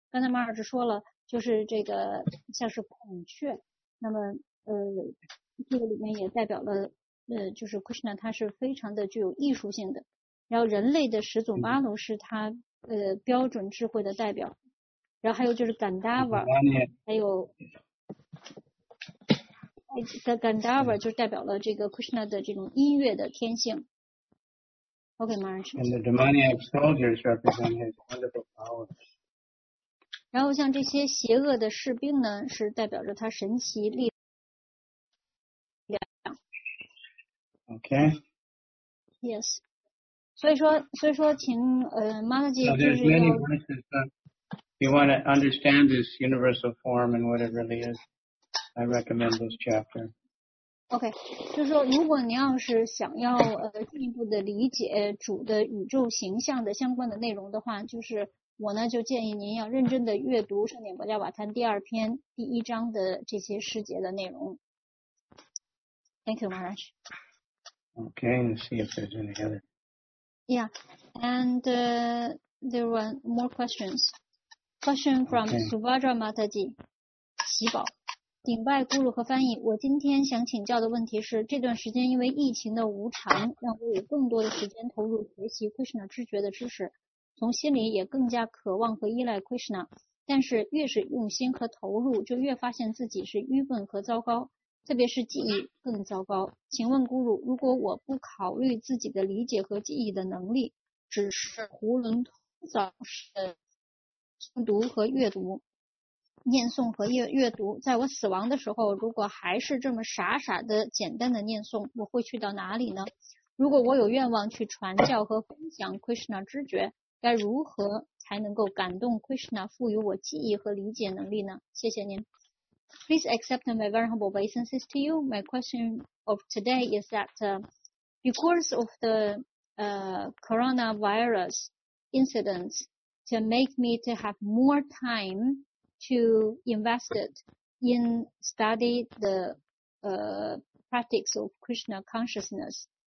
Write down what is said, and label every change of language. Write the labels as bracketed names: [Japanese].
[Chinese] 刚才马尔斯说了，就是这个像是孔雀，那么这个里面也代表了就是 Krishna 它是非常的具有艺术性的，然后人类的始祖巴奴是它标准智慧的代表，然后还有就是甘达瓦，还有甘达瓦就代表了这个 Krishna 的这种音乐的天性。 [English] OK, Maharaj. And the demoniac soldiers represent his wonderful powers. [Chinese] 然后像这些邪恶的士兵呢，是代表着他神奇力量。 [English] OK. Yes. [Chinese] 所以说请Mataji, [English] so there's many verses, but if you want to understand this universal form and what it really is, I recommend this chapter. [Chinese] Okay, 就是说如果你要是想要进一步的理解主的宇宙形象的相关的内容的话，就是我呢就建议您要认真的阅读圣殿伯加瓦坛第二篇第一章的这些诗节的内容。 [English] Thank you, Maharaj. Okay, let's see if there's any other. Yeah, and there were more questions. Question from Subhadra Mataji, 喜宝， [Chinese] 顶拜咕噜和翻译。我今天想请教的问题是，这段时间因为疫情的无常，让我有更多的时间投入学习 Krishna 知觉的知识，从心里也更加渴望和依赖 Krishna。但是越是用心和投入，就越发现自己是愚笨和糟糕。特别是记忆更糟糕。请问咕噜，如果我不考虑自己的理解和记忆的能力，只是囫囵吞枣式诵读和阅读，念诵和阅读，在我死亡的时候，如果还是这么傻傻的简单的念诵，我会去到哪里呢？如果我有愿望去传教和分享 Krishna 知觉，该如何才能够感动 Krishna 赋予我记忆和理解能力呢？谢谢您。 [English] Please accept my very humble obeisances to you. My question of today is that because of the coronavirus incidents, to make me to have more time to invest it in study the practice of Krishna consciousness.